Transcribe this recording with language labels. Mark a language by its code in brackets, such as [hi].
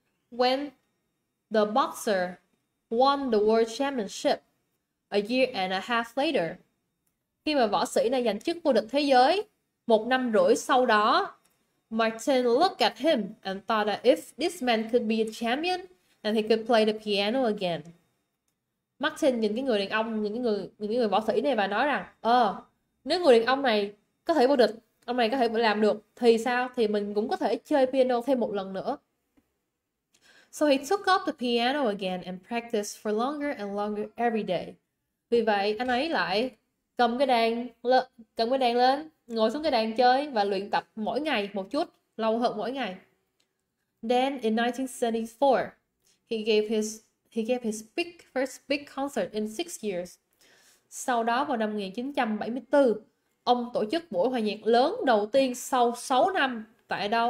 [en] When the boxer won the world championship a year and a half later, [vi] khi mà võ sĩ này giành chức vô địch thế giới 1 năm rưỡi sau đó, [en] Martin looked at him and thought that if this man could be a champion, then he could play the piano again. [vi] Martin nhìn cái người đàn ông, những người võ sĩ này và nói rằng, nếu người đàn ông này có thể vô địch, ông này có thể làm được, thì sao? Thì mình cũng có thể chơi piano thêm một lần nữa. [en] So he took up the piano again and practiced for longer and longer every day. [vi] Vì vậy, anh ấy lại cầm cái đàn lên, ngồi xuống cái đàn chơi và luyện tập mỗi ngày một chút, lâu hơn mỗi ngày. [en] Then in 1974, he gave his first big concert in 6 years. [vi] Sau đó vào năm 1974, ông tổ chức buổi hòa nhạc lớn đầu tiên sau 6 năm tại đâu?